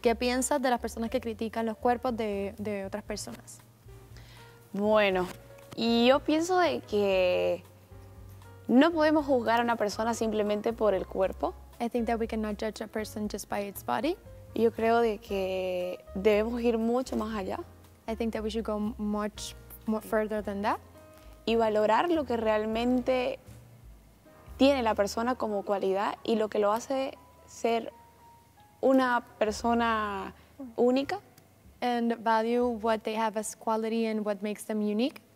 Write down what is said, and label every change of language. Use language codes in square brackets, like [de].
[es] ¿Qué piensas de las personas que critican los cuerpos de otras personas? Bueno, yo pienso de que no podemos juzgar a una persona simplemente por el cuerpo. [en] I think that we cannot judge a person just by its body. [es] Yo creo de que debemos ir mucho más allá. [en] I think that we should go much more further than that. [es] Y valorar lo que realmente tiene la persona como cualidad y lo que lo hace ser una persona única. [en] And value what they have as quality and what makes them unique.